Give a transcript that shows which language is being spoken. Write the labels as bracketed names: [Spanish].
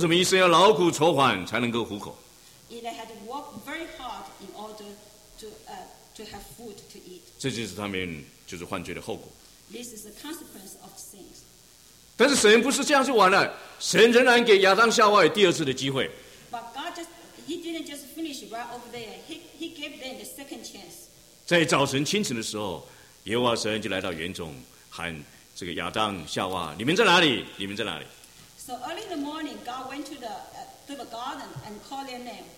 [Chinese] 什么一生要劳苦筹款才能够糊口？ [English] They had to work very hard in order to have food to eat. [Chinese] 这就是他们就是犯罪的后果。 [English] This is the consequence of sins. [Chinese] 但是神不是这样就完了，神仍然给亚当夏娃有第二次的机会。 [English] But God justHe didn't just finish right over there. He gave them the second chance. [Chinese] 在早晨清晨的时候，耶和华神就来到园中，喊这个亚当夏娃，你们在哪里？你们在哪里 [English] ？So early in the morning, God went to the garden and called their name.